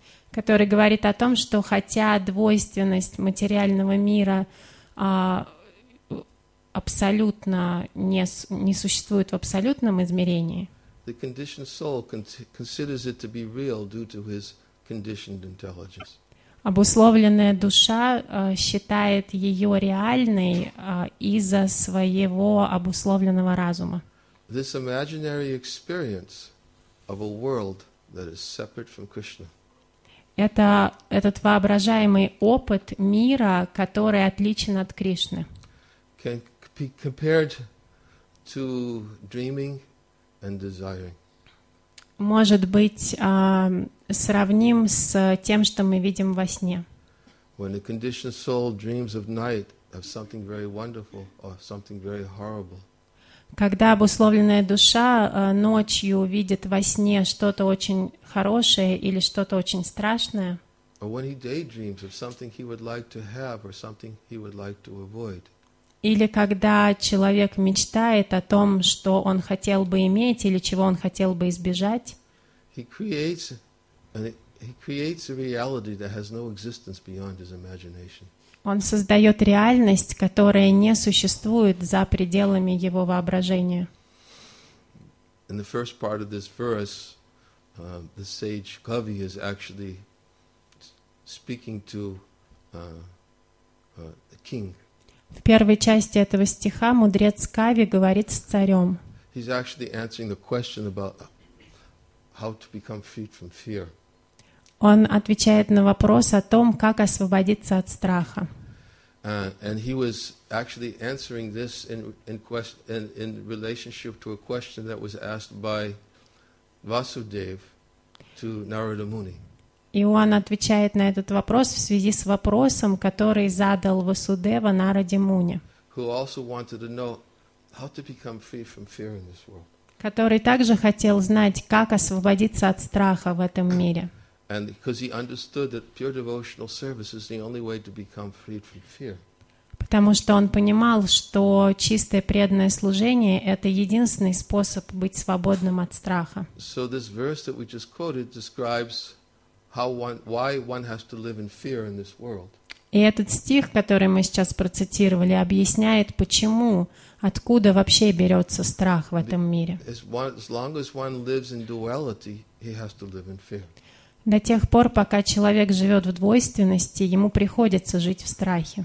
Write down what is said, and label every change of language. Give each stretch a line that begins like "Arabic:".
Russian: который говорит о том, что хотя двойственность материального мира абсолютно не существует в абсолютном измерении,
English: the conditioned soul considers it to be real due to his conditioned intelligence.
Russian: Обусловленная душа считает ее реальной из-за своего обусловленного разума.
English: This imaginary experience of a world that is separate from Krishna.
Russian: Этот воображаемый опыт мира, который отличен от Кришны.
English: Can be compared to dreaming and desiring.
Russian: Может быть, сравним с тем, что мы видим во сне.
English: When a conditioned soul dreams of night of something very wonderful or something very horrible.
Russian: Когда обусловленная душа ночью видит во сне что-то очень хорошее или что-то очень страшное.
English: Or when he daydreams of something he would like to have or something he would like to avoid.
Russian: Или когда человек мечтает о том, что он хотел бы иметь или чего он хотел бы избежать.
English: He creates a reality that has no existence beyond his imagination.
Russian: Он создает реальность, которая не существует за пределами его воображения.
English: In the first part of this verse, the sage Kavi is actually speaking to a king.
Russian: В первой части этого стиха мудрец Кави говорит с царем.
English: He's actually answering the question about how to become freed from fear.
Russian: Он отвечает на вопрос о том, как освободиться от страха.
English: And he was actually answering this in relationship to a question that was asked by Vasudev to Narada Muni.
Russian: И он отвечает на этот вопрос в связи с вопросом, который задал Васудева Нараде Муни.
English: Who also wanted to know how to become free from fear in this world.
Russian: Который также хотел знать, как освободиться от страха в этом мире.
English: And because he understood that pure devotional service is the only way to become freed from fear.
Russian: Потому что он понимал, что чистое преданное служение — это единственный способ быть свободным от страха.
English: So this verse that we just quoted describes why one has to live in fear in this world.
Russian: И этот стих, который мы сейчас процитировали, объясняет, почему, откуда вообще берется страх в этом мире.
English: As long as one lives in duality, he has to live in fear.
Russian: До тех пор, пока человек живет в двойственности, ему приходится жить в страхе.